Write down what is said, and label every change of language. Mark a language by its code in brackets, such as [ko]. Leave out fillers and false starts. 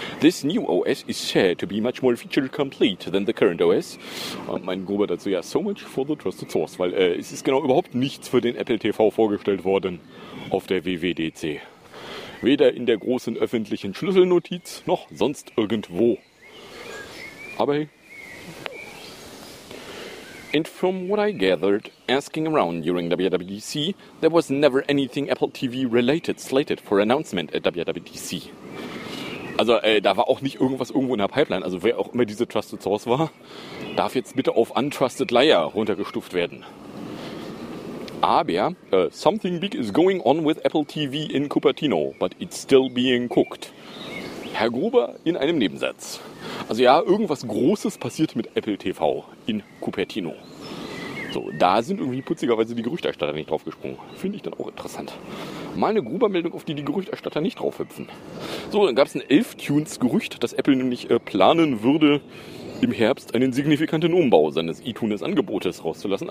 [en] This new OS is said to be much more feature complete than the current OS. [de] Und mein Gruber dazu, ja, [en] so much for the trusted source, [de] weil es ist genau überhaupt nichts für den Apple TV vorgestellt worden auf der WWDC. Weder in der großen öffentlichen Schlüsselnotiz noch sonst irgendwo. Aber hey. [en] And from what I gathered, asking around during WWDC, there was never anything Apple TV related slated for announcement at WWDC. [de] Also da war auch nicht irgendwas irgendwo in der Pipeline. Also wer auch immer diese Trusted Source war, darf jetzt bitte auf Untrusted Liar runtergestuft werden. [en] Aber something big is going on with Apple TV in Cupertino, but it's still being cooked. [de] Herr Gruber in einem Nebensatz. Also ja, irgendwas Großes passiert mit Apple TV in Cupertino. So, da sind irgendwie putzigerweise die Gerüchterstatter nicht draufgesprungen. Finde ich dann auch interessant. Mal eine Gruber-Meldung, auf die die Gerüchterstatter nicht draufhüpfen. So, dann gab es ein Elftunes-Gerücht, dass Apple nämlich planen würde, im Herbst einen signifikanten Umbau seines iTunes-Angebotes rauszulassen.